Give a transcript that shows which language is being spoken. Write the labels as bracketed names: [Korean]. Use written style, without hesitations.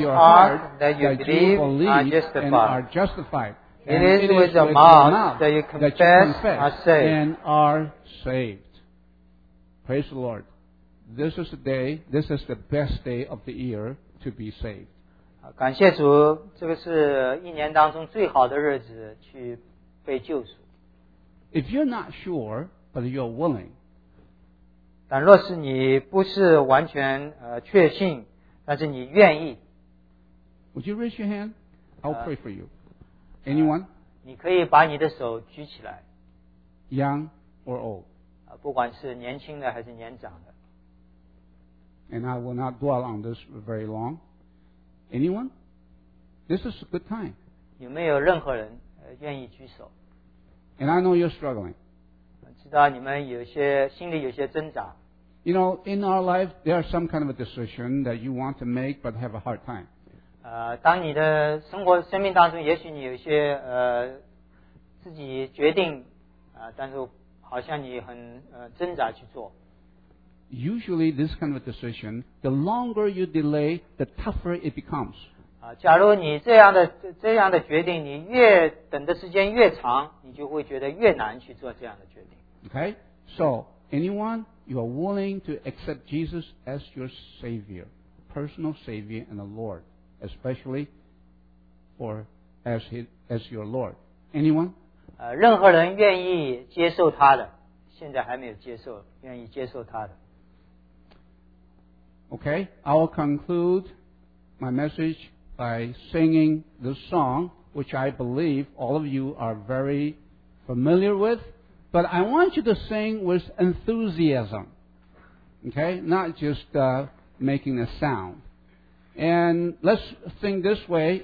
[English] your heart that you believe and are justified. It is with your mouth that you confess and are saved. Praise the Lord. This is the day, this is the best day of the year to be saved. [Chinese] 感谢主，这个是一年当中最好的日子去被救赎。 [English] If you're not sure, but you're willing, [Chinese] 但若是你不是完全确信，但是你愿意。 [English] Would you raise your hand? I'll pray for you. Anyone? [Chinese] 你可以把你的手举起来。 [English] Young or old? [Chinese] 不管是年轻的还是年长的。 [English] And I will not dwell on this very long. Anyone? This is a good time. [Chinese] 有没有任何人愿意举手？ [English] And I know you're struggling. [Chinese] 知道你们有些心里有些挣扎。 [English] You know, in our life, there are some kind of a decision that you want to make but have a hard time. [Chinese] 当你的生活生命当中，也许你有些自己决定，但是好像你很挣扎去做。 [English] Usually, this kind of a decision, the longer you delay, the tougher it becomes. [Chinese] 假如你这样的决定，你越等的时间越长，你就会觉得越难去做这样的决定。 [English] Okay, so anyone, you are willing to accept Jesus as your Savior, personal Savior and the Lord, especially for as his, as your Lord. Anyone? [Chinese] 任何人愿意接受他的，现在还没有接受，愿意接受他的。 [English] Okay, I will conclude my message by singing the song, which I believe all of you are very familiar with, but I want you to sing with enthusiasm. Okay, not just making a sound. And let's sing this way.